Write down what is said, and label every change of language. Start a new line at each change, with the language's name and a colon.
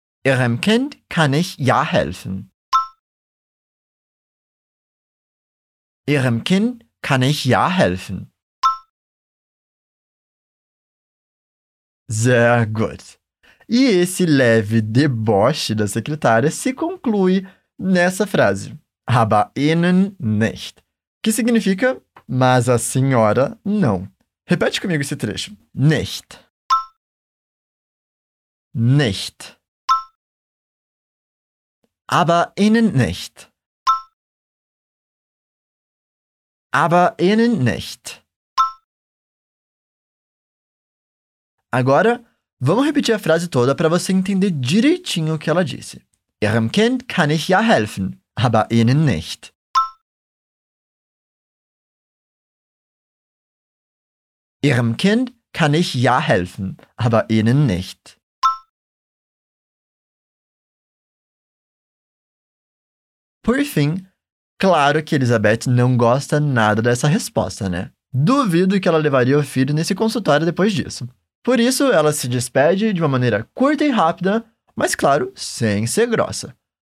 German: Ihrem Kind kann ich ja helfen. Ihrem Kind kann ich ja helfen. Sehr gut.
Portuguese: E esse leve deboche da secretária se conclui nessa frase,
German: aber Ihnen nicht,
Portuguese: que significa, mas a senhora não. Repete comigo esse trecho. Nicht.
German: Nicht. Aber Ihnen nicht. Aber Ihnen nicht.
Portuguese: Agora, vamos repetir a frase toda para você entender direitinho o que ela disse.
German: Ihrem Kind kann ich ja helfen, aber Ihnen nicht. Ihrem Kind kann ich ja helfen, aber Ihnen nicht.
Portuguese: Por fim, claro que Elizabeth não gosta nada dessa resposta, né? Duvido que ela levaria o filho nesse consultório depois disso. Por isso, ela se despede de uma maneira curta e rápida, mas claro, sem ser grossa.